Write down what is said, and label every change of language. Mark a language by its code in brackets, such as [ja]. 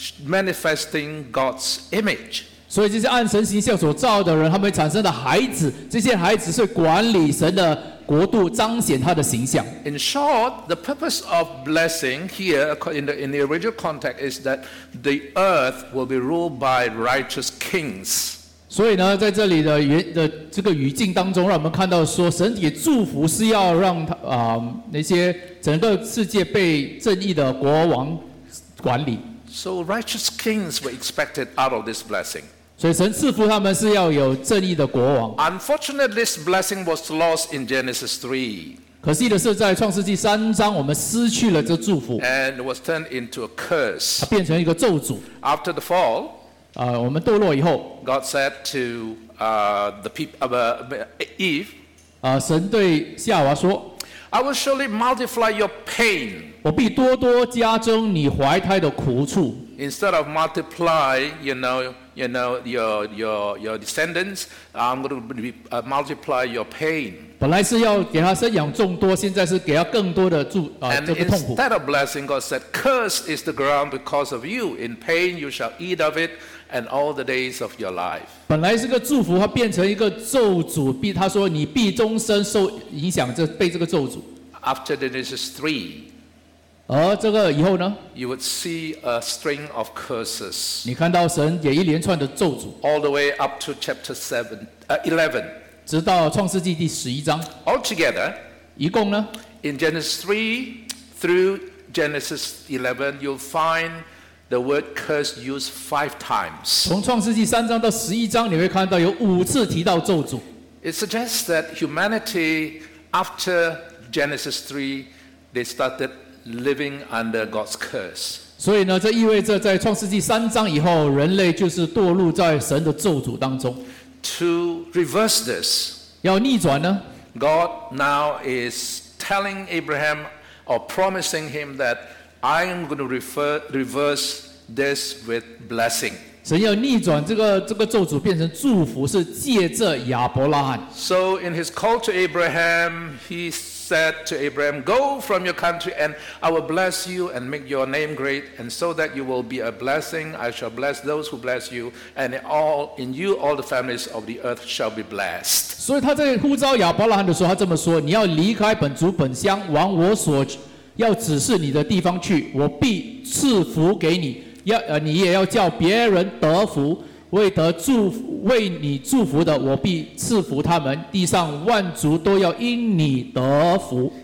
[en] Manifesting God's image. [zh] 所以这些按神形象所造的人，他们产生的孩子，这些孩子是管理神的国度，彰显他的形象。 [en] In short, the purpose of blessing here in the original context is that the earth will be ruled by righteous kings. [zh] 所以呢，在这里的这个语境当中，让我们看到说，神给祝福是要让那些整个世界被正义的国王管理。 [en] So righteous kings were expected out of this blessing. [zh] 所以神赐福他们是要有正义的国王。 [en] Unfortunately, this blessing was lost in Genesis 3. [zh] 可惜的是，在创世纪三章，我们失去了这祝福。 [en] And it was turned into a curse. [zh] 它变成一个咒诅。 [en] After the fall, [zh] 我们堕落以后 [en] ，God said to the people of Eve, [zh] 神对夏娃说 [en] I will surely multiply your pain. [zh] 我必多多加增你怀胎的苦处。 [en] Instead of multiply, your descendants, I'm going to multiply your pain. [zh] 本来是要给他生养众多，现在是给他更多的住啊、这个痛苦。 [en] Instead of blessing, God said, "Cursed is the ground because of you. In pain, you shall eat of it." And all the days of your life. [zh] 本来是个祝福，它变成一个咒诅。他说：“你必终身受影响，这被这个咒诅。” [en] After Genesis 3, [zh] 而这个以后呢？ [en] You would see a string of curses. [zh] 你看到神也一连串的咒诅。 [en] All the way up to chapter 11, [zh] 直到创世纪第十一章。 [en] Altogether, [zh] 一共呢 [en] ？In Genesis 3 through Genesis 11, you'll find the word curse used 5 times. [zh] 从创世纪三章到十一章，你会看到有五次提到咒诅。 [en] It suggests that humanity, after Genesis 3, they started living under God's curse. [zh] 所以呢，这意味着在创世纪三章以后，人类就是堕入在神的咒诅当中。 [en] To reverse this, [zh] 要逆转呢 [en] ？God now is telling Abraham or promising him that. I am going to reverse this with blessing. [zh] 神要逆转这个咒诅变成祝福，是借着亚伯拉罕。 [en] So in his call to Abraham, he said to Abraham, "Go from your country, and I will bless you and make your name great, and so that you will be a blessing. I shall bless those who bless you, and in you all the families of the earth shall be blessed." [zh] 所以他在呼召亚伯拉罕的时候，他这么说：你要离开本族本乡，往我所要指示你的地方去，我必赐福给你，你也要叫别人得福，为你祝福的，我必赐福他们，地上万族都要因你得福。